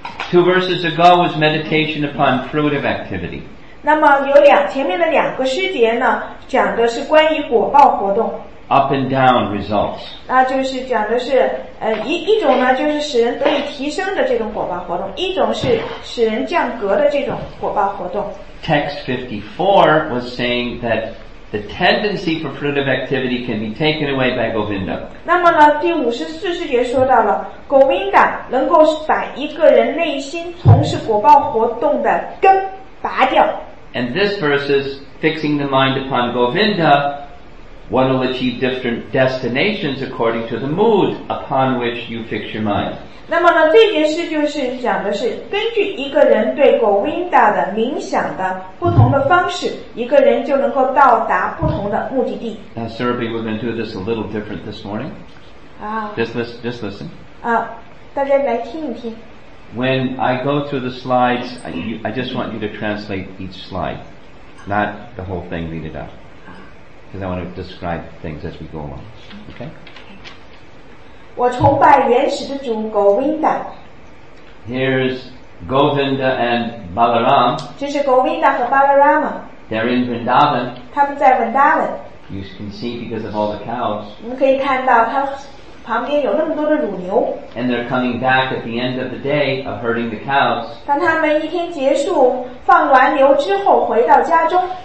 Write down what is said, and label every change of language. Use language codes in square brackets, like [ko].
[en] Two verses ago was meditation upon fruitive activity. [zh] 那么有两前面的两个诗节呢，讲的是关于果报活动。 [en] Up and down results. [zh] 那就是讲的是一种呢，就是使人得以提升的这种果报活动；一种是使人降格的这种果报活动。 [en] Text 54 was saying that the tendency for fruitive activity can be taken away by Govinda. [zh] 那么呢，第五十四世节说到了 Govinda 能够把一个人内心从事果报活动的根拔掉。 [en] And this verse is fixing the mind upon Govinda. One will achieve different destinations according to the mood upon which you fix your mind. [zh] 那么呢，这件事就是讲的是根据一个人对 Govinda 的冥想的不同的方式，一个人就能够到达不同的目的地。 [en] Now, Sirabhi, we're going to do this a little different this morning. Just listen. [zh] 大家来听一听。 [en] When I go through the slides, I just want you to translate each slide, not the whole thing, read it out. Because I want to describe things as we go along. Okay? [zh] 我崇拜原始的主 Govinda. [en] Here's Govinda and Balaram. [zh] 这是 Govinda 和 Balarama. [en] They're in Vrindavan. [zh] 他们在 Vrindavan. [en] You can see because of all the cows. [zh] 你们可以看到他旁边有那么多的乳牛。 [en] And they're coming back at the end of the day of herding the cows. [zh] 当他们一天结束放完牛之后回到家中。